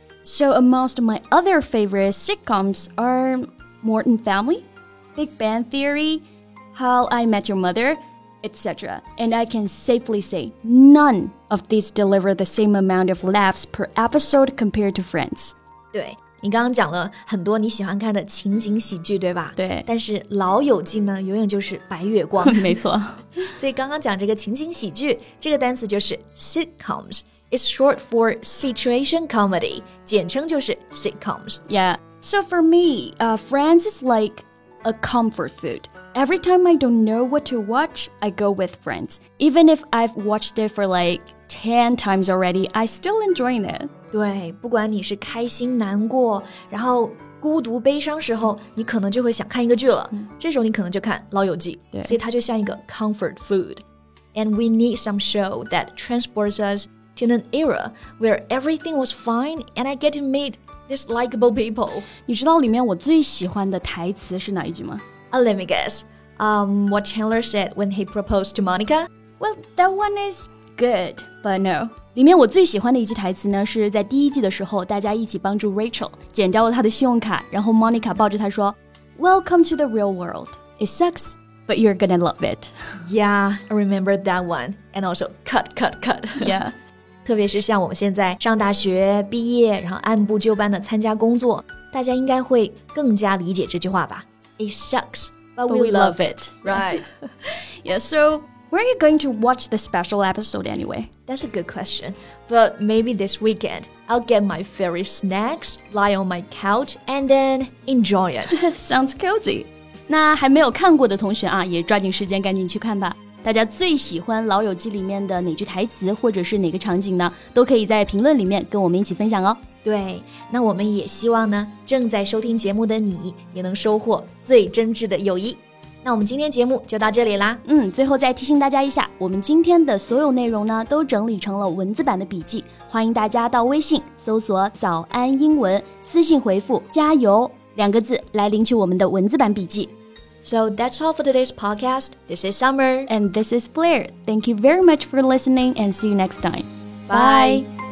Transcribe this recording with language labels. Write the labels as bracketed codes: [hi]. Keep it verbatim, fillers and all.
[en] So amongst my other favorite sitcoms are Modern Family. Big Bang Theory, How I Met Your Mother, et cetera. And I can safely say none of these deliver the same amount of laughs per episode compared to Friends. [zh] 对，你刚刚讲了很多你喜欢看的情景喜剧，对吧？对。但是《老友记》呢，永远就是白月光。没错。所以刚刚讲这个情景喜剧，这个单词就是 sitcoms. [en] It's short for situation comedy. [zh] 简称就是 sitcoms. [en] Yeah. So for me, uh, Friends is like... A comfort food. Every time I don't know what to watch, I go with Friends. Even if I've watched it for like ten times already, I still enjoy it. [zh] 对，不管你是开心、难过，然后孤独、悲伤时候，你可能就会想看一个剧了。嗯、这时候你可能就看《老友记》，所以它就像一个 comfort food. [en] And we need some show that transports us to an era where everything was fine, and I get to meet. These likable people. [zh] 你知道里面我最喜欢的台词是哪一句吗？ [en] Uh, let me guess. Um, what Chandler said when he proposed to Monica? Well, that one is good, but no. [zh] 里面我最喜欢的一句台词呢，是在第一季的时候，大家一起帮助 Rachel 剪掉了她的信用卡，然后 Monica 抱着她说 [en] Welcome to the real world. It sucks, but you're gonna love it. Yeah, I remember that one. And also, cut, cut, cut. Yeah. [zh] 特别是像我们现在上大学毕业，然后按部就班的参加工作，大家应该会更加理解这句话吧。 [en] It sucks, but, but we love it, right? Yeah. So, where are you going to watch the special episode anyway? That's a good question. But maybe this weekend, I'll get my favorite snacks, lie on my couch, and then enjoy it. Sounds cozy. [zh] 那还没有看过的同学啊，也抓紧时间赶紧去看吧。大家最喜欢《老友记》里面的哪句台词或者是哪个场景呢？都可以在评论里面跟我们一起分享哦。对，那我们也希望呢，正在收听节目的你也能收获最真挚的友谊。那我们今天节目就到这里啦。嗯，最后再提醒大家一下，我们今天的所有内容呢，都整理成了文字版的笔记，欢迎大家到微信搜索“早安英文”，私信回复“加油”两个字来领取我们的文字版笔记。 [en] So that's all for today's podcast. This is Summer. And this is Blair. Thank you very much for listening and see you next time. Bye. Bye.